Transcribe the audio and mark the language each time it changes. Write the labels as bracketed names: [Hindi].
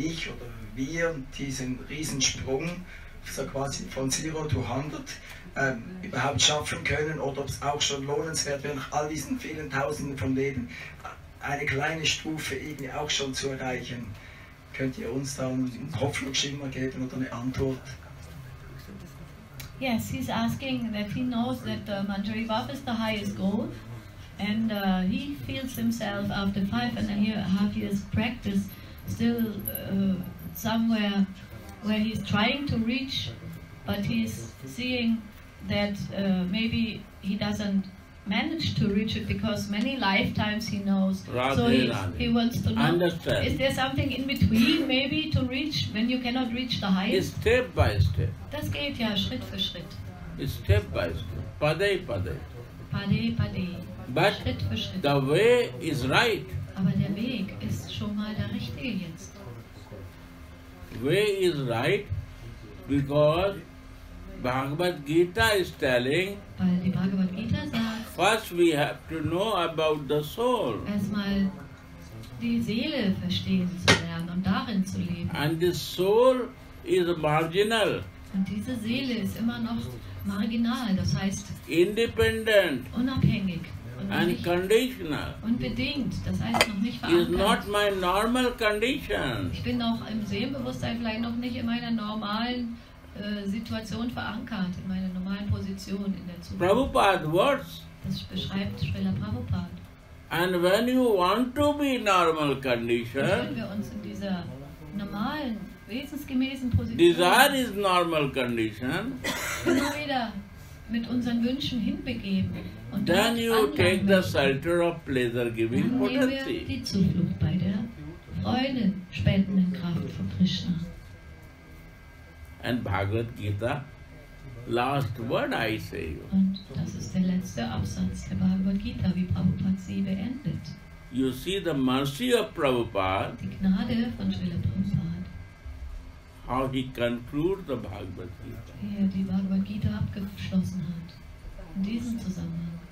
[German] oder wir diesen Riesensprung so quasi von 0 to 100 überhaupt schaffen können oder ob es auch schon lohnenswert wäre, nach all diesen vielen Tausenden von Leben eine kleine Stufe irgendwie auch schon zu erreichen. Könnt ihr uns da einen Hoffnungsschimmer geben oder eine Antwort? [English] Yes, he's asking that he knows that Manjaribab is the highest goal and he feels himself after 5.5 years practice still somewhere where he's trying to reach, but he's seeing that maybe he doesn't manage to reach it because many lifetimes he knows. Radhe, so he wants to know. Understand. Is there something in between maybe to reach when you cannot reach the highest? Step by step. [German] Das geht ja Schritt für Schritt. [English] Step by step. [Hindi] Pade-pade. Pade-pade. [English] But [German] Schritt für Schritt. [English] The way is right. [German] Aber der Weg ist schon mal der richtige jetzt. [English] Way is right because Bhagavad Gita is telling. [German] Weil die Bhagavad Gita sagt, [English] first we have to know about the soul. [German] Erstmal die Seele verstehen zu lernen und darin zu leben. [English] And the soul is marginal. [German] Und diese Seele ist immer noch marginal, das heißt [English] independent, [German] unabhängig. [English] And conditional. [German] Unbedingt, das heißt noch nicht verankert. [English] Is not my normal condition. [German] Ich bin noch im Seelenbewusstsein vielleicht noch nicht in meiner normalen Situation verankert, in meiner normalen Position in der Zukunft. [English] Prabhupada words. [German] Das beschreibt Srila Prabhupada. [English] And when you want to be normal condition. [German] Und wenn wir uns in dieser normalen, wesensgemäßen Position. [English] Desire is normal condition. [German] Immer wieder mit unseren Wünschen hinbegeben. Und [English] then you take the shelter of pleasure-giving potency. [German] Dann nehmen wir die Zuflucht bei der freudenspendenden Kraft von Krishna. [English] And Bhagavad Gita, last word I say you. [German] Und das ist der letzte Absatz der Bhagavad Gita, wie Prabhupada sie beendet. [English] You see the mercy of Prabhupada. [German] Die Gnade von Srila Prabhupada. [English] How he concludes the Bhagavad Gita. [German] Wie er die Bhagavad Gita abgeschlossen hat. In diesem Zusammenhang.